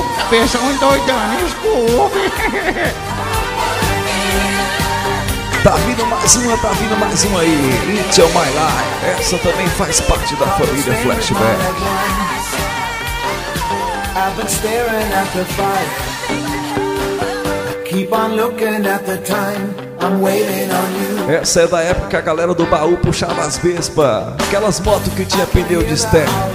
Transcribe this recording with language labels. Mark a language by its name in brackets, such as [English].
[Portuguese] Pensa um doidão, desculpe. Tá vindo mais uma aí. Into My Life. Essa também faz parte da família Flashback. [English] I've been staring at the fire. Keep on looking at the time. I'm waiting on you. [Portuguese] Essa é da época que a galera do baú puxava as Vespa, aquelas motos que tinha pneu de step.